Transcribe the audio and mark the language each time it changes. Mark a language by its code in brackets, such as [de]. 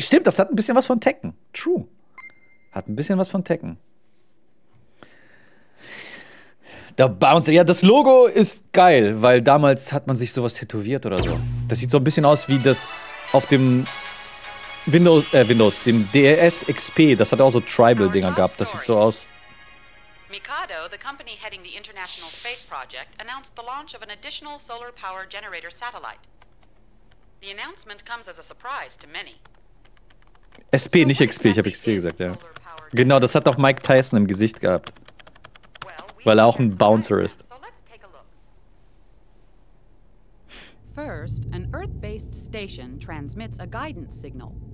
[de] Stimmt, das hat ein bisschen was von Tekken. True. Hat ein bisschen was von Tekken. Der Bouncer. Ja, das Logo ist geil, weil damals hat man sich sowas tätowiert oder so. Das sieht so ein bisschen aus wie das auf dem Windows, dem DS XP. Das hat auch so Tribal-Dinger gehabt. Das sieht so aus. [en] Mikado, the company heading the International Space Project, announced the launch of an additional solar power generator satellite. The announcement comes as a surprise to many. [de] SP, nicht XP, ich habe XP gesagt, ja. Genau, das hat auch Mike Tyson im Gesicht gehabt. Weil er auch ein Bouncer ist. [en] First, an Earth-based station transmits a guidance signal.